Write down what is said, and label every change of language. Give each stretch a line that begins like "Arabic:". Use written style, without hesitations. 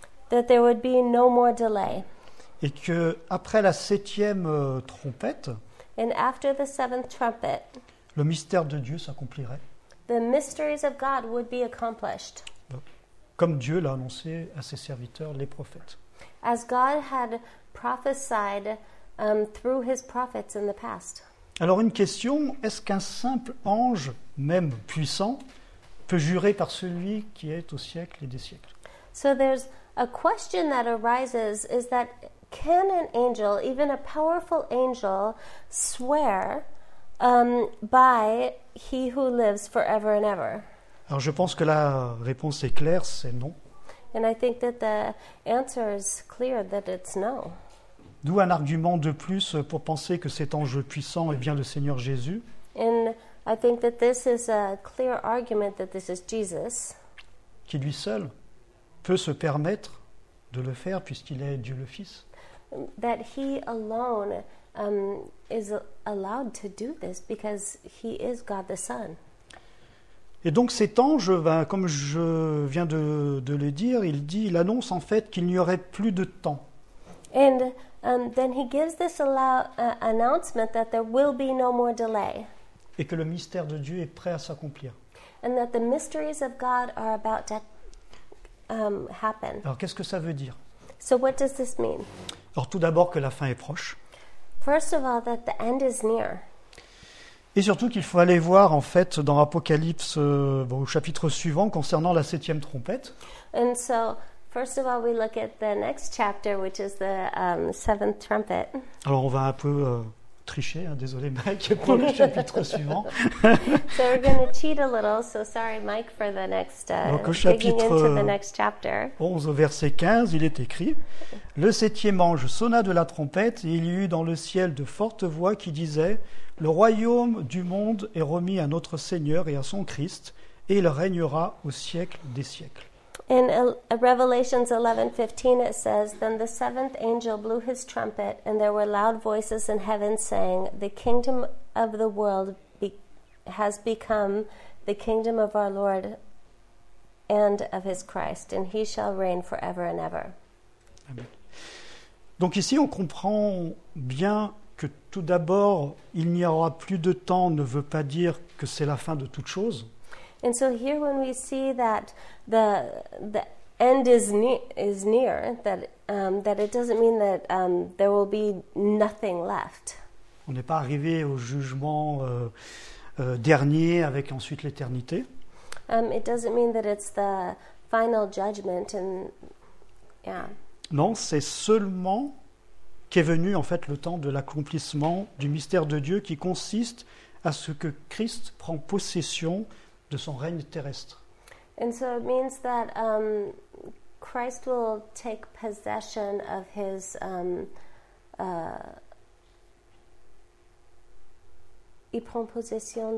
English: That there would be no more delay.
French: Et que après la septième trompette.
English: And after the seventh trumpet.
French: Le mystère de Dieu s'accomplirait.
English: The mysteries of God would be accomplished.
French: Comme Dieu l'a annoncé à ses serviteurs, les prophètes.
English: As God had prophesied through his prophets in the past.
French: Alors une question, est-ce qu'un simple ange, même puissant, peut jurer par celui qui est au siècle et des siècles?
English: So there's a question that arises, is that can an angel, even a powerful angel, swear by he who lives forever and ever?
French: Alors je pense que la réponse est claire, c'est non.
English: And I think that the answer is clear, that it's no.
French: D'où un argument de plus pour penser que cet ange puissant est bien le Seigneur Jésus.
English: And I think that this is a clear argument that this is Jesus.
French: Qui lui seul peut se permettre de le faire puisqu'il est Dieu le Fils.
English: That he alone is allowed to do this because he is God the Son.
French: Et donc cet ange, ben, comme je viens de le dire, il annonce en fait qu'il n'y aurait plus de temps.
English: And then he gives this announcement that there will be no more delay.
French: Et que le mystère de Dieu est prêt à s'accomplir.
English: And that the mysteries of God are about to happen.
French: Alors qu'est-ce que ça veut dire?
English: So what does this mean?
French: Alors tout d'abord que la fin est proche.
English: First of all, that the end is near.
French: Et surtout qu'il faut aller voir en fait dans Apocalypse au chapitre suivant concernant la septième trompette.
English: And so, first of all, we look at the next chapter, which is the seventh trumpet.
French: Alors on va un peu tricher, hein, désolé Mike pour le chapitre suivant.
English: So we're going to cheat a little. So sorry, Mike, for the next digging into the next chapter.
French: 11 au verset 15, il est écrit: le septième ange sonna de la trompette et il y eut dans le ciel de fortes voix qui disaient: le royaume du monde est remis à notre Seigneur et à son Christ, et il règnera au siècle des siècles.
English: In Revelations 11:15, it says, then the seventh angel blew his trumpet, and there were loud voices in heaven saying, the kingdom of the world has become the kingdom of our Lord and of his Christ, and he shall reign forever and ever. Amen.
French: Donc ici, on comprend bien que tout d'abord, il n'y aura plus de temps ne veut pas dire que c'est la fin de toute chose.
English: And so here when we see that the end is near, that it doesn't mean that there will be nothing left.
French: On n'est pas arrivé au jugement dernier avec ensuite l'éternité.
English: It doesn't mean that it's the final judgment and yeah.
French: Non, c'est seulement qu'est venu en fait le temps de l'accomplissement du mystère de Dieu qui consiste à ce que Christ prend possession de son règne terrestre.
English: And so it means that Christ will take possession of his
French: il prend possession